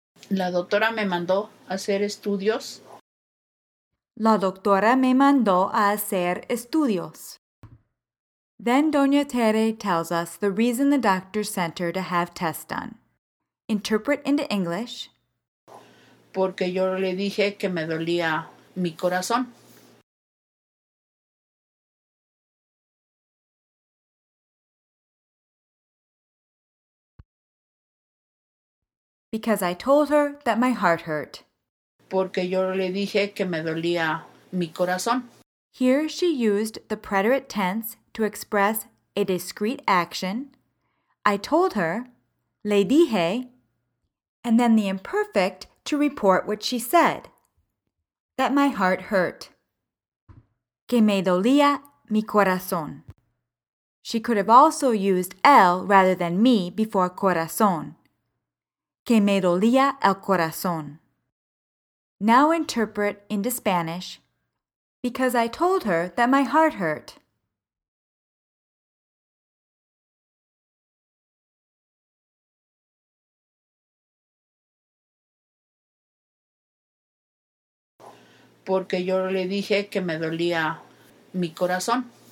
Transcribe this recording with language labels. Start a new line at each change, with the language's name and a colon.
Spanish: La doctora me mandó a hacer estudios. La doctora me mandó a hacer estudios.
English: Then Doña Tere tells us the reason the doctor sent her to have tests done. Interpret into English.
Spanish: Porque yo le dije que me dolía mi corazón.
English: Because I told her that my heart hurt.
Spanish: Porque yo le dije que me dolía mi corazón.
English: Here she used the preterite tense to express a discrete action. I told her,
Spanish: le dije,
English: and then the imperfect to report what she said. That my heart hurt.
Spanish: Que me dolía mi corazón.
English: She could have also used el rather than me before corazón.
Spanish: Que me dolía el corazón.
English: Now interpret into Spanish. Because I told her that my heart hurt.
Spanish: Porque yo le dije que me dolía mi corazón.